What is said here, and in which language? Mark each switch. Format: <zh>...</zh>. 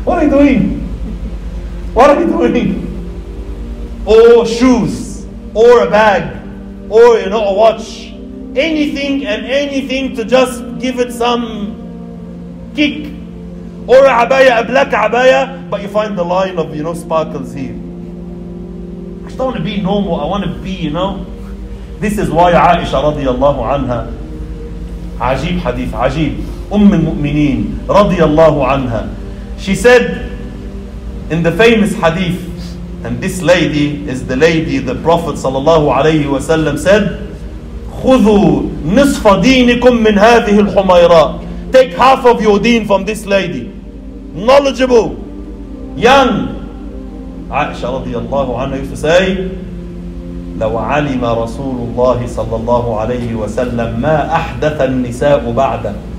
<en>What are you doing? Or shoes, or a bag, or, you know, a watch. Anything and anything to just give it some kick. Or a abaya, a black abaya, but you find the line of, you know, sparkles here. I just don't want to be normal. I want to be, you know. This is why Aisha radiallahu anha,</en> <ar>عجيب حديث عجيب أم المؤمنين رضي الله عنها.</ar> <en>She said in the famous hadith, and this lady is the lady the Prophet صلى الله عليه وسلم said,</en> <ar>خذوا نصف دينكم من هذه الحميراء.</ar> <en>Take half of your deen from this lady. Knowledgeable, young.</en> <ar>عائشة رضي الله عنها</ar> <en>used to say,</en> <ar>لو علم رسول الله صلى الله عليه وسلم ما أحدث النساء بعده.</ar>